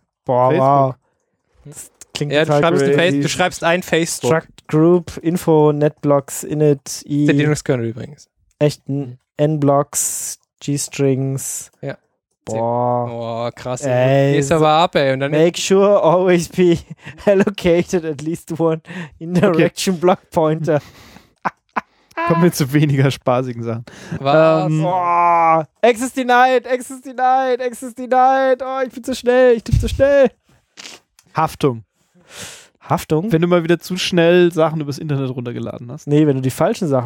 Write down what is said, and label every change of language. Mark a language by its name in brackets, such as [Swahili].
[German] Facebook. Wow. Du schreibst ein Facebook. [English] Struct Group, Info, Netblocks, Init, I. [German] Der Linux-Kernel übrigens. Echten N-Blocks, G-Strings. Ja. Boah, krass. Gehst aber ab, ey. Und dann [English] make sure always be allocated at least one Indirection Block Pointer. [German] kommen wir zu weniger spaßigen Sachen. Was? [English] Access denied, Access denied, Access denied. [German] Oh, ich bin zu schnell, ich tippe zu schnell. Haftung. Haftung? Wenn du mal wieder zu schnell Sachen übers Internet runtergeladen hast. Nee, wenn du die falschen Sachen...